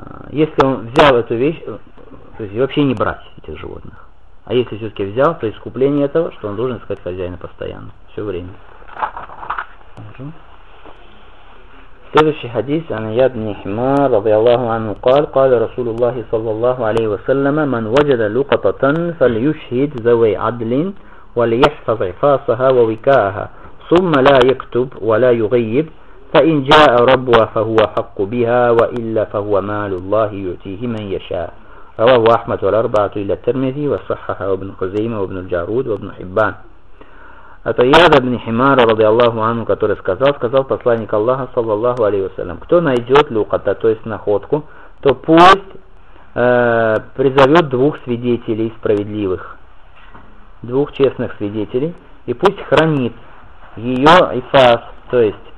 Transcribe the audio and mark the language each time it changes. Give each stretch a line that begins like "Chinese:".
Russian: Если он взял эту вещь, то есть вообще не брать этих животных. А если все-таки взял, то искупление этого, что он должен искать хозяина постоянно, все время. Следующий хадис
Arabic: Анаяд ибн Химар радиаллаху анху قال رسول الله صلى الله عليه وسلم من وجد لقطة فليشهد ذوي عدل وليحفظ عفاصها ووكاءها ثم لا يكتب ولا يغيب فإن جاء ربها فهو حق بها وإلا فهو مال الله يعطيه من يشاء رواه أحمد والأربعة إلى الترمذي وصححه ابن خزيمة وابن الجارود وابن حبان.
Russian: Это Яд ибн Химара, ради Аллаху Ану, который сказал посланник Аллаха, саллаллаху алейхи вассалям, кто найдет люката, то есть находку, то пусть призовет двух свидетелей справедливых, двух честных свидетелей, и пусть хранит ее ифас, то есть